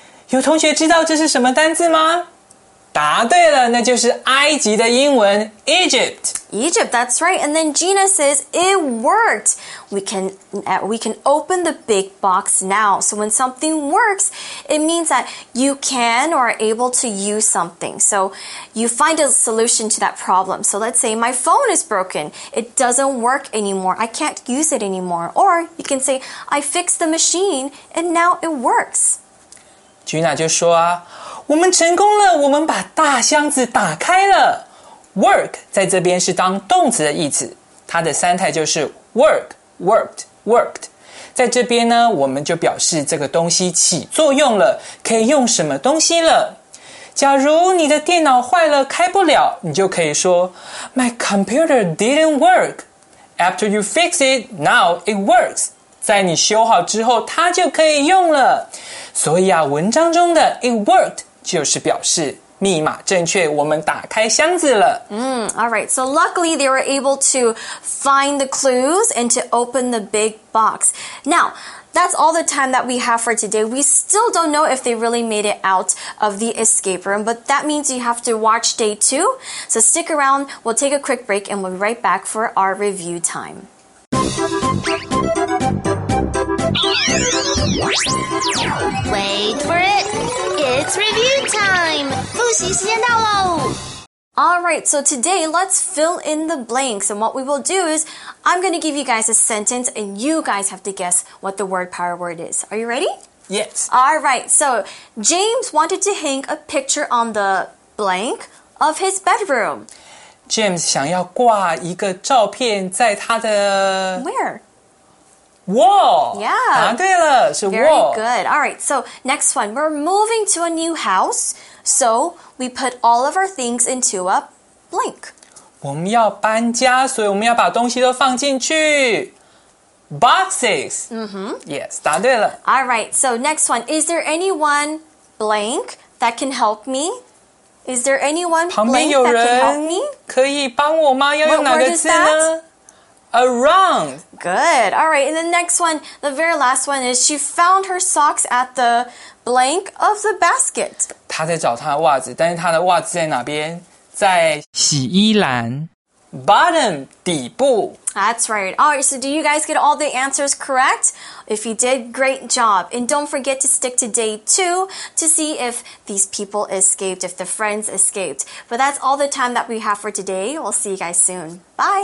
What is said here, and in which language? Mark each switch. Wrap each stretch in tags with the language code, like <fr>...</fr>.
<zh>有同学知道这是什么单字吗？答对了，那就是埃及的英文 Egypt.</zh> <en>Egypt, that's right. And then Gina says, it worked. We can open the big box now. So when something works, it means that you can or are able to use something. So you find a solution to that problem. So let's say my phone is broken. It doesn't work anymore. I can't use it anymore. Or you can say, I fixed the machine and now it works.</en> <zh>Gina 就说我们成功了，我们把大箱子打开了。 Work 在这边是当动词的意思，它的三态就是 work, worked, worked。在这边呢，我们就表示这个东西起作用了，可以用什么东西了。假如你的电脑坏了，开不了，你就可以说</zh> <en>My computer didn't work. After you fix it, now it works.</en> <zh>在你修好之后，它就可以用了。所以文章中的</zh> <en>it worked</en> <zh>就是表示密码正确，我们打开箱子了。</zh> <en>All right, so luckily they were able to find the clues and to open the big box. Now, that's all the time that we have for today. We still don't know if they really made it out of the escape room, but that means you have to watch day two. So stick around, we'll take a quick break and we'll be right back for our review time. Wait for it! It's review time!</en> <zh>复习时间到喽！</zh> <en>Alright, so today let's fill in the blanks. And what we will do is, I'm going to give you guys a sentence and you guys have to guess what the word power word is. Are you ready? Yes. Alright, so James wanted to hang a picture on the blank of his bedroom.</en> <zh>James 想要挂一个照片在他的</zh> <en>Where? Wall. Yeah.</en> <zh>答对了，是 wall.</zh> <en>Very good. All right. So next one, we're moving to a new house, so we put all of our things into a blank.</en> <zh>我们要搬家，所以我们要把东西都放进去。</zh> <en>Boxes. Mm-hmm.</en> <zh>Yes, 答对了。</zh> <en>All right, so next one. Is there anyone blank that can help me? Is there anyone blank that can help me?</en> <zh>旁边有人可以帮我吗？要用哪个字呢？Around.</zh> <en>Good. All right, and the next one, the very last one is she found her socks at the blank of the basket.</en> <zh>她在找她的袜子，但是她的袜子在哪边？在洗衣篮。 Bottom, 底部。</zh> <en>That's right. All right, so do you guys get all the answers correct? If you did, great job. And don't forget to stick to day 2 to see if these people escaped, if the friends escaped. But that's all the time that we have for today. We'll see you guys soon. Bye.</en>